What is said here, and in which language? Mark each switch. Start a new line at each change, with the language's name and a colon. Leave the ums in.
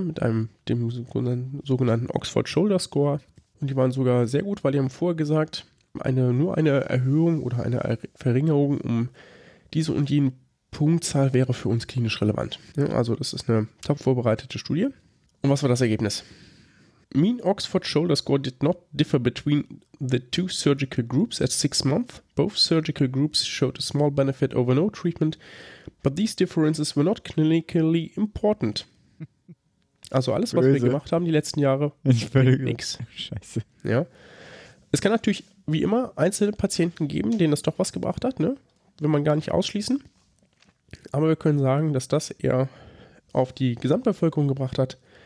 German: mit einem, dem sogenannten sogenannten Oxford Shoulder Score. Und die waren sogar sehr gut, weil die haben vorher gesagt, eine, nur eine Erhöhung oder eine Er- Verringerung um diese und jene Punktzahl wäre für uns klinisch relevant. Ne? Also das ist eine top vorbereitete Studie. Und was war das Ergebnis?
English: Mean Oxford Shoulder Score did not differ between the two surgical groups at six months. Both surgical groups showed a small benefit over no treatment, but these differences were not clinically important.
German: Also alles, was wir Böse. gemacht haben die letzten Jahre, Entschuldigung. nix. Scheiße. Ja. Es kann natürlich wie immer einzelne Patienten geben, denen das doch was gebracht hat, ne? Will man gar nicht ausschließen. Aber wir können sagen, dass das eher auf die Gesamtbevölkerung gebracht hat.